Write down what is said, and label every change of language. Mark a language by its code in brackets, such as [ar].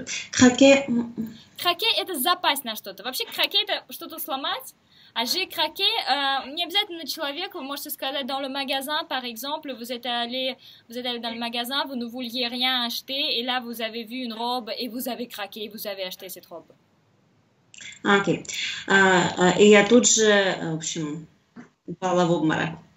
[ru] Craquer – это запасть на что-то. Вообще, craquer – это что-то сломать. [fr] А j'ai craqué, [ru] не обязательно на человека, вы можете сказать [fr] dans le magasin, par exemple, vous êtes allé dans le magasin, vous ne vouliez rien acheter, et là, vous avez vu une robe, et vous avez craqué, vous avez acheté cette robe. [ru] Окей. И я тут же, в общем, упала в обморок.